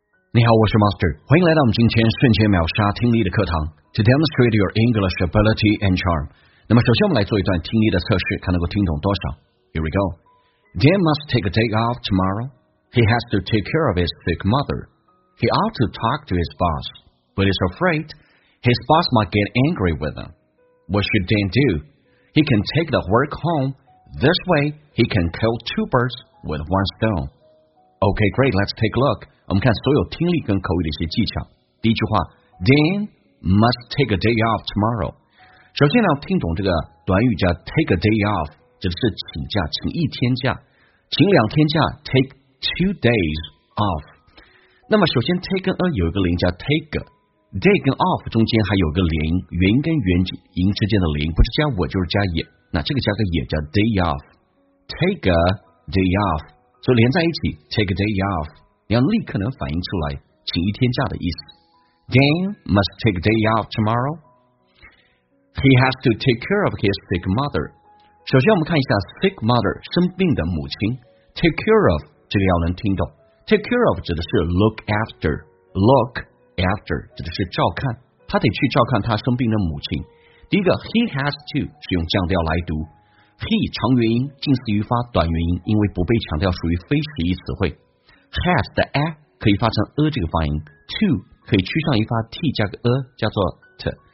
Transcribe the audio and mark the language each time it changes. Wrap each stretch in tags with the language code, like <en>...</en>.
<zh>你好，我是 Master， 欢迎来到我们今天瞬间秒杀听力的课堂 ，</zh> <en>To demonstrate your English ability and charm。</en> <zh>那么，首先我们来做一段听力的测试，看能够听懂多少。</zh> <en>Here we go. Dan must take a day off tomorrow. He has to take care of his sick mother. He ought to talk to his boss, but is afraid his boss might get angry with him. What should Dan do? He can take the work home. This way, he can kill two birds with one stone. Okay, great. Let's take a look.</en> <zh>我们看所有听力跟口语的一些技巧。第一句话</zh> <en>，Dan must take a day off tomorrow。</en> <zh>首先呢，听懂这个短语叫</zh> <en>take a day off，</en> <zh>指的是请假，请一天假，请两天假 ，</zh> <en>take two days off。</en> <zh>那么首先 take 跟 a 有一个连叫 take，day 跟 off 中间还有个连，元跟元音之间的连，不是加我就是加也，那这个加个也叫 day off，</zh> <en>take a day off，</en> <zh>所以连在一起 take a day off。你要立刻能反映出来请一天假的意思。</zh> <en>Dan must take a day off tomorrow. He has to take care of his sick mother.</en> <zh>首先我们看一下</zh> <en>sick mother,</en> <zh>生病的母亲。</zh> <en>Take care of,</en> <zh>这个要能听懂。</zh> <en>Take care of</en> <zh>指的是</zh> <en>look after. Look after,</en> <zh>指的是照看。他得去照看他生病的母亲。第一个</zh> <en>he has to,</en> <zh>是用降调来读。He 长元音近似于发短元音，因为不被强调属于非实义词汇。 Has 的 a 可以发成 a 这个发音 ，to 可以趋上一发 t 加个 a 叫做 t。</zh>